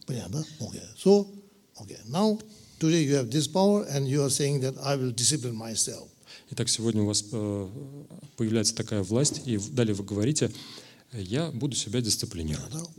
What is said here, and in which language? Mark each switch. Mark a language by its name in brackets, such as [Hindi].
[Russian] Понятно, да? [English] Okay. So, okay. Now, today you have this power and you are saying that I will discipline myself. [Russian] Итак, сегодня у вас появляется такая власть, и далее вы говорите, я буду себя дисциплинировать.